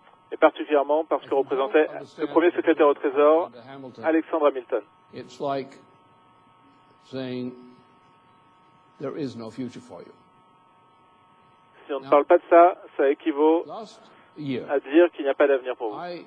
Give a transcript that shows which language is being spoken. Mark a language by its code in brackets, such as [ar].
[fr] Et particulièrement parce que représentait le premier secrétaire au Trésor, Alexander Hamilton. [en] It's like saying, there is no future for you. [fr] Si on ne parle pas de ça, ça équivaut à dire qu'il n'y a pas d'avenir pour